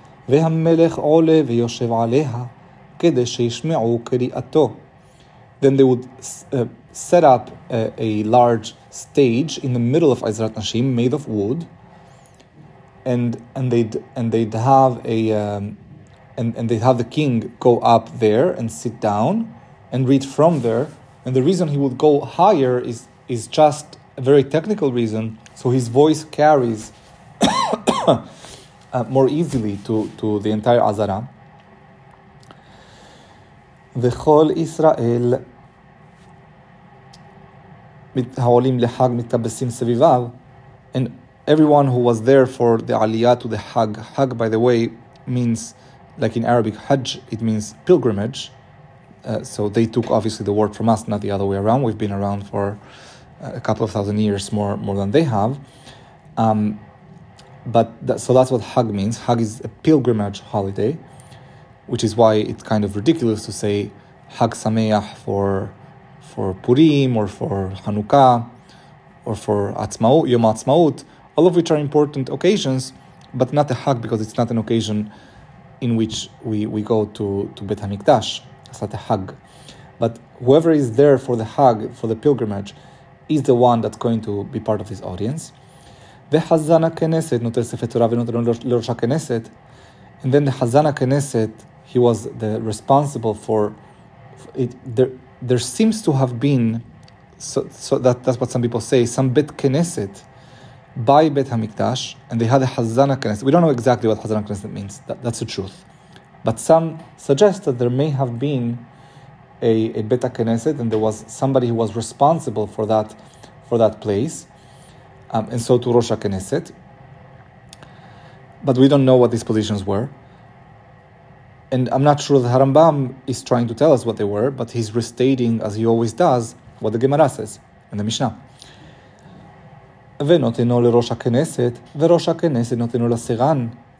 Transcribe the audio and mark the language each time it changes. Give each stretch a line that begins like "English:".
Hebrew: והמלך עולה ויושב עליה כדי שישמעו קריאתו.
English: Then they would set up a large stage in the middle of Ezrat Nashim made of wood, and they'd have the king go up there and sit down and read from there. And the reason he would go higher is just a very technical reason, so his voice carries more easily to the entire Azara.
Hebrew: וכל ישראל העולים לחג מתאבסים סביביו.
English: And everyone who was there for the Aliyah to the Hag, Hag, by the way, means, like in Arabic, Hajj, it means pilgrimage. So they took obviously the word from us, not the other way around. We've been around for a couple of thousand years more than they have. So that's what Hag means. Hag is a pilgrimage holiday, which is why it's kind of ridiculous to say Hag Sameach for Purim or for Hanukkah or for Yom Atzmaut, all of which are important occasions, but not a Hag because it's not an occasion in which we go to Beit HaMikdash. It's not a Hag. But whoever is there for the Hag, for the pilgrimage, is the one that's going to be part of this audience.
Hebrew: וחזן הכנסת נותן ספר תורה ונותן לראש הכנסת.
English: And then the חזן הכנסת, he was the responsible for it. There seems to have been, so that's what some people say, some Bet Knesset by Bet HaMikdash, and they had a Hazana Knesset. We don't know exactly what Hazana Knesset means. That's the truth. But some suggest that there may have been a Bet HaKnesset, and there was somebody who was responsible for that place, and so to Rosh HaKnesset. But we don't know what these positions were. And I'm not sure that Harambam is trying to tell us what they were, but he's restating, as he always does, what the Gemara says in the Mishnah.
Hebrew: ונותנו לראש הכנסת, וראש הכנסת נותנו לסרן.